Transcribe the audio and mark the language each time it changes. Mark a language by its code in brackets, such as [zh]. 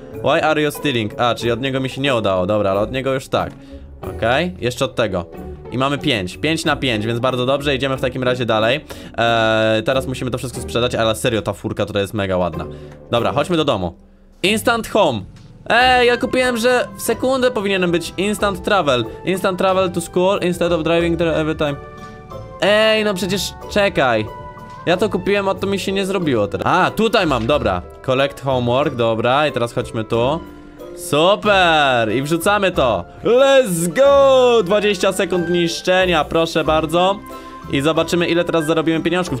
[en] Why are you stealing? [pl] A, czyli od niego mi się nie udało. Dobra, ale od niego już tak. Okej, okay. Jeszcze od tego. I mamy 5, 5 na 5, więc bardzo dobrze. Idziemy w takim razie dalej. Teraz musimy to wszystko sprzedać, ale serio, ta furka tutaj jest mega ładna. Dobra, chodźmy do domu. Instant home. Ej, ja kupiłem, że w sekundę powinienem być. [en] Instant travel. Instant travel to school instead of driving there every time. [pl] Ej, no przecież czekaj. Ja to kupiłem, a to mi się nie zrobiło teraz. A, tutaj mam, dobra. Collect homework, dobra, i teraz chodźmy tu. Super, i wrzucamy to. [en] Let's go. [pl] 20 sekund niszczenia, proszę bardzo. I zobaczymy, ile teraz zarobimy pieniążków.